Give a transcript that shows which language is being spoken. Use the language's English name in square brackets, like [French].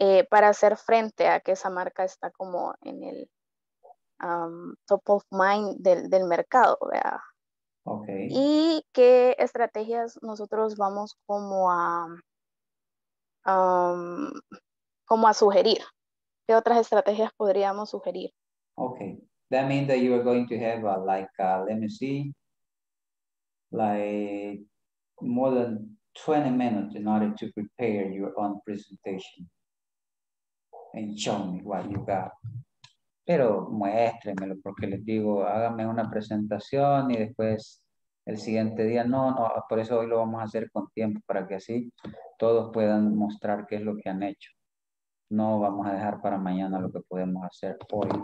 [Spanish] Para hacer frente a que esa marca está como en el [English] top of mind [Spanish] del mercado, ¿verdad? Okay. ¿Y qué estrategias nosotros vamos como a sugerir? ¿Qué otras estrategias podríamos sugerir? Okay. [English] That means that you are going to have let me see, more than 20 minutes in order to prepare your own presentation. And show me what you got. [Spanish] Pero muéstremelo, porque les digo, hágame una presentación y después el siguiente día, no, por eso hoy lo vamos a hacer con tiempo, para que así todos puedan mostrar qué es lo que han hecho. No vamos a dejar para mañana lo que podemos hacer hoy.